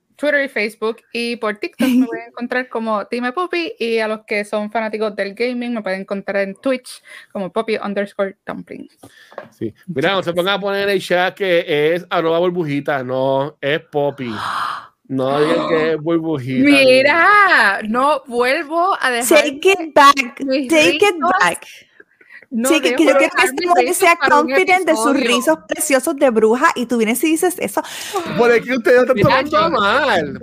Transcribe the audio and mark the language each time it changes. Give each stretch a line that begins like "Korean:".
Spanish: Twitter y Facebook, y por TikTok me pueden encontrar como Time Puppy, y a los que son fanáticos del gaming me pueden encontrar en Twitch como Puppy underscore Dumpling. Sí, mira, no se pongan a poner en el chat que es arroba burbujita, no, es Puppy. No digan que es burbujita. Mira, no vuelvo a dejar.
English: Take it back, take it back.
Spanish: No, sí, que yo quiero que este hombre sea confident de sus rizos preciosos de bruja, y tú vienes y dices eso. Por aquí ustedes están tomando mal.